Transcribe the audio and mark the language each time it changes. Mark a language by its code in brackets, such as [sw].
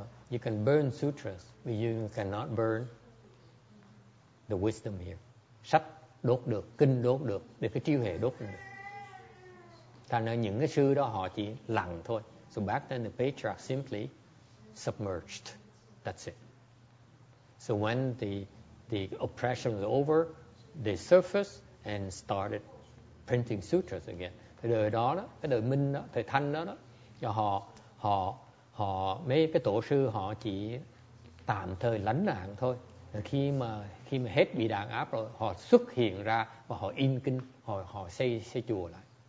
[en] You can burn sutras, but you cannot burn the wisdom here. [vi] Sách đốt được, kinh đốt được, để cái triêu hệ đốt được. Thành ra những cái sư đó họ chỉ lặng thôi. [en] So back then the patriarch simply submerged. That's it. So when the oppression was over, they surfaced and started printing sutras again. [vi] Cái đời đó đó, cái đời Minh đó, thời Thanh đó đó, cho họ mấy cái tổ sư họ chỉ tạm thời lánh nạn thôi. Khi mà hết bị đàn áp rồi, họ xuất hiện ra và họ in kinh, họ xây chùa lại.